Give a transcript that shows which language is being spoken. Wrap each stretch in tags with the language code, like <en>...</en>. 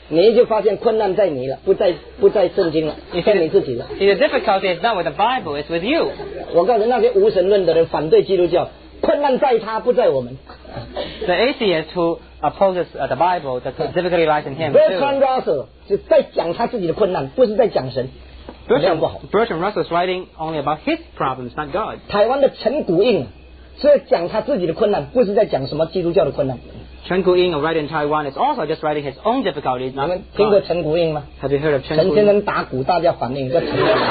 <zh>你就发现困难在你了，不在圣经了，在你自己了。</zh> <en>The difficulty is not with the Bible, it's with you。</en> <zh>我告诉那些无神论的人反对基督教，困难在他，不在我们。</zh> <en>The atheist who opposes the Bible, the difficulty lies in him.</en> <zh>Bertrand Russell 是在讲他自己的困难，不是在讲神。 Bertrand, 这样不好。</zh> <en>Bertrand Russell is writing only about his problems, not God。</en> <zh>台湾的陈谷印是讲他自己的困难，不是在讲什么基督教的困难。</zh> <en>陈谷英 writing Taiwan is also just writing his own difficulties.</en> <zh>你们听过陈谷英吗？</zh> <en>Have you heard of 陈</en> <zh>谷英？陈先生打鼓，大家反应叫陈谷英。</zh>